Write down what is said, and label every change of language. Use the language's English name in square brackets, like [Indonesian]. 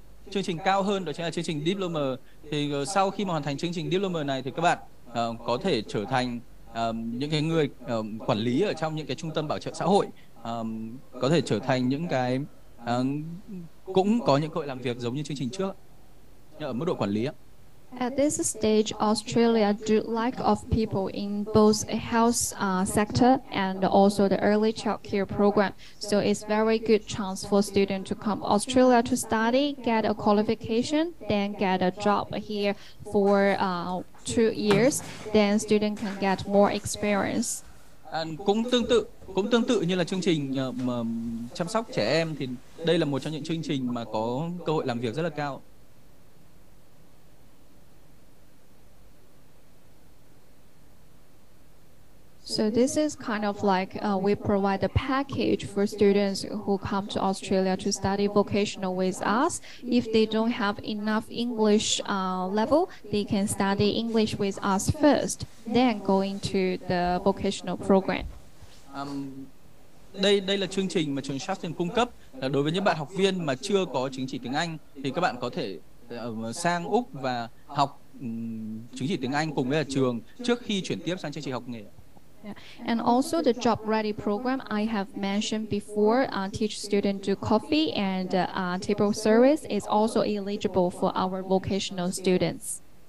[Vietnamese] Chương trình cao hơn đó chính là chương trình diploma. Thì sau khi mà hoàn thành chương trình diploma này thì các bạn có thể trở thành những cái người quản lý ở trong những cái trung tâm bảo trợ xã hội, có thể trở thành những cái cũng có những cơ hội làm việc giống như chương trình trước, nhưng ở mức độ quản lý. [English] At this stage, Australia do lack of people in both health sector and also the early child care program. So it's very good chance for students to come Australia to study, get a qualification, then get a job here for 2 years. Then student can get more experience. [Vietnamese] And cũng tương tự như là chương trình chăm sóc trẻ em, thì đây là một trong những chương trình mà có cơ hội làm việc rất là cao. [English] So this is kind of like we provide a package for students who come to Australia to study vocational with us. If they don't have enough English level, they can study English with us first, then go into the vocational program. [Vietnamese] Đây là chương trình mà trường Shelton cung cấp là đối với những bạn học viên mà chưa có chứng chỉ tiếng Anh, thì các bạn có thể sang Úc và học chứng chỉ tiếng Anh cùng với là trường trước khi chuyển tiếp sang chương trình học nghề. [English] Yeah. And also the job ready program I have mentioned before, teach students to coffee and table service is also eligible for our vocational students.